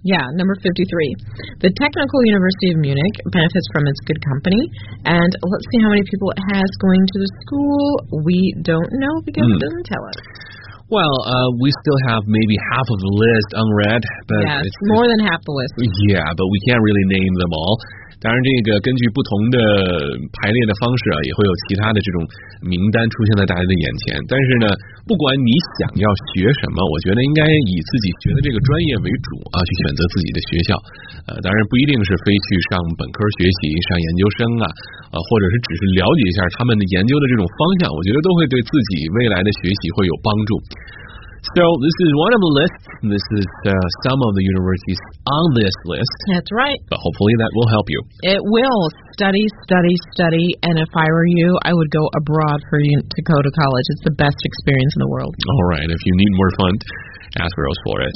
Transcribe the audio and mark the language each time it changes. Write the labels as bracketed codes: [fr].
[en] Yeah, number 53. The Technical University of Munich benefits from its good company. And let's see how many people it has going to the school. We don't know because it doesn't tell us. Well, we still have maybe half of the list unread. But yes, it's more than half the list. Yeah, but we can't really name them all. [zh] 当然，这个根据不同的排列的方式啊，也会有其他的这种名单出现在大家的眼前。但是呢，不管你想要学什么，我觉得应该以自己学的这个专业为主啊，去选择自己的学校。当然不一定是非去上本科学习、上研究生啊，或者是只是了解一下他们的研究的这种方向，我觉得都会对自己未来的学习会有帮助。 [en] So this is one of the lists. This is some of the universities on this list. That's right. But hopefully that will help you. It will. Study, study, study. And if I were you, I would go abroad for you to go to college. It's the best experience in the world. All right. If you need more fun, ask Rose for it.